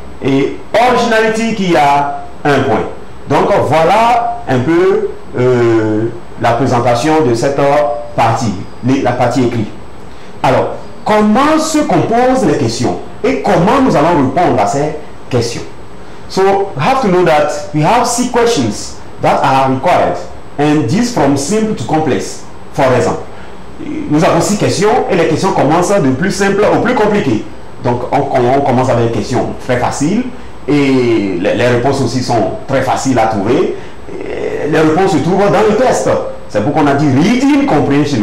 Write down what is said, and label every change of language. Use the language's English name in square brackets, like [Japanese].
[French] Et originality, qui a 1 point. Donc, voilà un peu la présentation de cette partie, la partie écrite. Alors, comment se composent les questions et comment nous allons répondre à ces questions? [English] So, we have to know that we have 6 questions that are required and this from simple to complex. For example, [French] nous avons 6 questions et les questions commencent de plus simple au plus compliqué. Donc, on commence avec des questions très faciles et les réponses aussi sont très faciles à trouver. Les réponses se trouvent dans le test. C'est pourquoi on a dit reading comprehension.